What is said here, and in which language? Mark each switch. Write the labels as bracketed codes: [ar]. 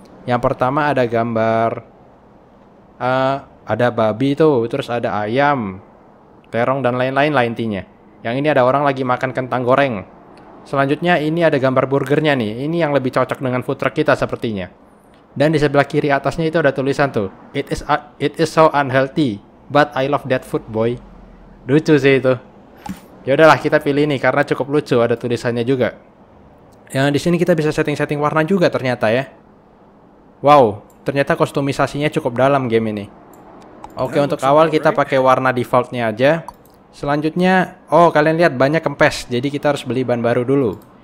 [id] Yang pertama ada gambar ada babi tuh, terus ada ayam, terong dan lain-lain lah intinya. Yang ini ada orang lagi makan kentang goreng. Selanjutnya ini ada gambar burgernya nih. Ini yang lebih cocok dengan food truck kita sepertinya. Dan di sebelah kiri atasnya itu ada tulisan tuh. [en] It is so unhealthy, but I love that food, boy. [id] Lucu sih itu. Ya udahlah, kita pilih ini karena cukup lucu ada tulisannya juga. Yang di sini kita bisa setting-setting warna juga ternyata ya. Wow, ternyata kostumisasinya cukup dalam game ini. Oke, untuk awal kita pakai warna defaultnya aja. Selanjutnya, oh kalian lihat bannya kempes, jadi kita harus beli ban baru dulu.